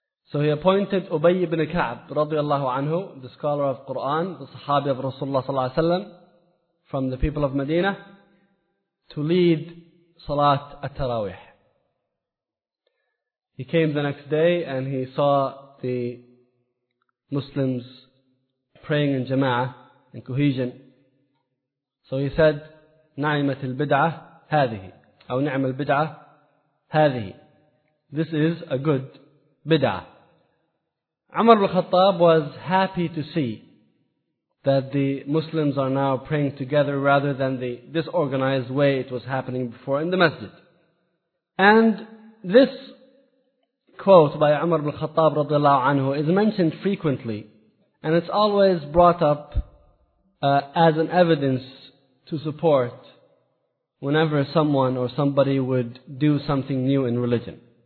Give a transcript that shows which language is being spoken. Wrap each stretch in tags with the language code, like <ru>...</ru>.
<en>So he appointed Ubay ibn Ka'b radiallahu anhu, the scholar of Quran, the Sahabi of Rasulullah sallallahu alaihi wasallam, from the people of Medina, to lead Salat at-Tarawih. He came the next day and he saw the Muslims praying in jama'ah, in cohesion.</en> <ar>So he said, نعمت البدعة هذه أو نعم البدعة هذه.</ar> <en>This is a good بدعة. Umar al-Khattab was happy to see that the Muslims are now praying together rather than the disorganized way it was happening before in the masjid. And this quote by Umar al-Khattab radiallahu anhu is mentioned frequently, and it's always brought up as an evidence to support whenever someone or somebody would do something new in religion.</en>